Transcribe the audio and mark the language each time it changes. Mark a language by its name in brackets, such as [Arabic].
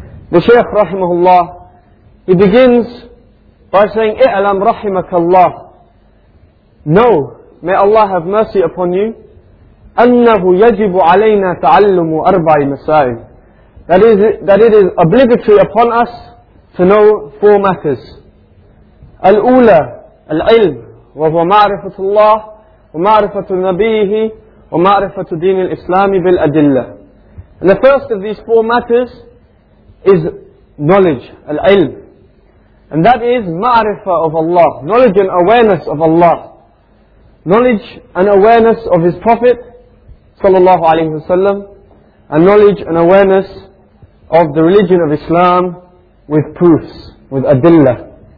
[English] The Shaykh, rahimahullah, he begins by saying, [Arabic] I'lam rahimakallah, [English] know, may Allah have mercy upon you, [Arabic] annahu yajibu alayna ta'allumu arba'i masail, [English] that it is obligatory upon us to know four matters. [Arabic] Al-ula, al-ilm, وَهُوَ مَعْرِفَةُ اللَّهِ وَمَعْرِفَةُ نَبِيهِ وَمَعْرِفَةُ دِينِ الْإِسْلَامِ بِالْأَدِلَّةِ. [English] And the first of these four matters is knowledge, al-ilm. And that is ma'rifa of Allah, knowledge and awareness of Allah, knowledge and awareness of His Prophet sallallahu alayhi wa sallam, and knowledge and awareness of the religion of Islam with proofs, with adillah.